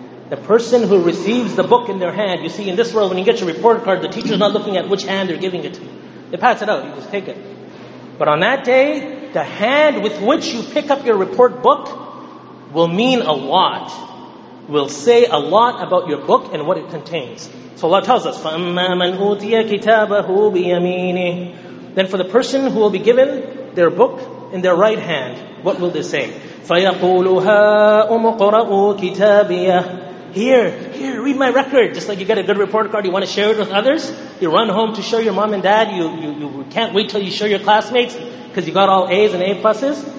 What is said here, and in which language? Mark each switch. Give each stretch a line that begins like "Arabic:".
English: The person who receives the book in their hand. You see, in this world, when you get your report card, the teacher is not looking at which hand they're giving it to. They pass it out, you just take it. But on that day, the hand with which you pick up your report book will mean a lot. Will say a lot about your book and what it contains. So Allah tells us,
Arabic: فَأَمَّا مَنْ أُوْتِيَ كِتَابَهُ بِيَمِينِهِ.
English: Then for the person who will be given their book in their right hand, what will they say?
Arabic: فَيَقُولُ هَا أُمُقْرَأُ كِتَابِيَهُ.
English: Here, read my record. Just like you get a good report card, you want to share it with others. You run home to show your mom and dad. You can't wait till you show your classmates because you got all A's and A pluses.